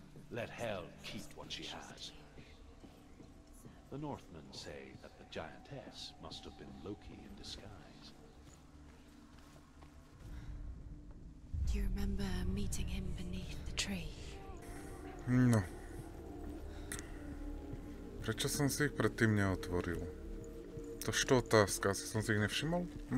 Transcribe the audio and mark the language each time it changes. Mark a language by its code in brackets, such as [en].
[en] Let Hel keep what she has. The Northmen say that the giantess must have been Loki in disguise. Do you remember meeting him beneath the tree? No. [sk] Prečo som si ich predtým neotvoril? To je otázka, asi som si ich nevšimol?